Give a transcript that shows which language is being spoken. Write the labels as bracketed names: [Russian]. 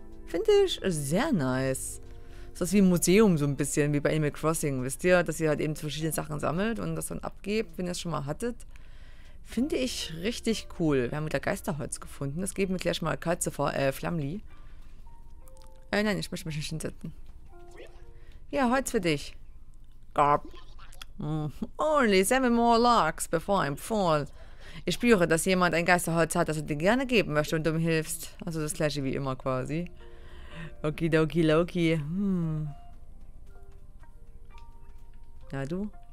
[German] Finde ich sehr nice. Das ist wie ein Museum, so ein bisschen wie bei Animal Crossing, wisst ihr, dass ihr halt eben verschiedene Sachen sammelt und das dann abgebt, wenn ihr es schon mal hattet. Finde ich richtig cool. Wir haben wieder Geisterholz gefunden. Das geben wir gleich mal Katze vor, Flamli. Nein, ich möchte mich nicht hinsetzen. Ja, Holz für dich. Garb. [English] Only 7 more logs before I'm full. [German] Ich spüre, dass jemand ein Geisterholz hat, das er dir gerne geben möchte und du mir hilfst. Also das gleiche wie immer quasi. Okidoki, Loki. Na du?